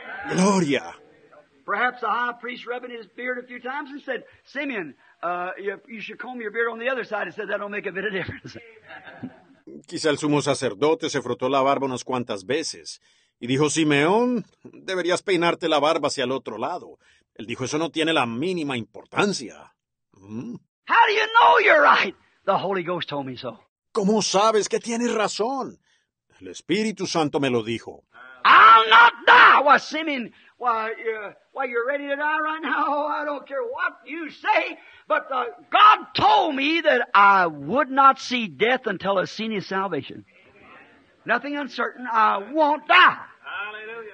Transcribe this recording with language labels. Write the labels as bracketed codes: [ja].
[es] Gloria. [en] Perhaps the high priest rubbing his beard a few times and said, Simeon, you should comb your beard on the other side. He said, that'll make a bit of difference. [es] Quizá el sumo sacerdote se frotó la barba unas cuantas veces y dijo, Simeón, deberías peinarte la barba hacia el otro lado. Él dijo, eso no tiene la mínima importancia. [en] How do you know you're right? The Holy Ghost told me so. [es] ¿Cómo sabes que tienes razón? El Espíritu Santo me lo dijo. [en] I'll not die. Why, Simeon, why you're ready to die right now, I don't care what you say, but God told me that I would not see death until I've seen his salvation. Amen. Nothing uncertain. I won't die. Hallelujah.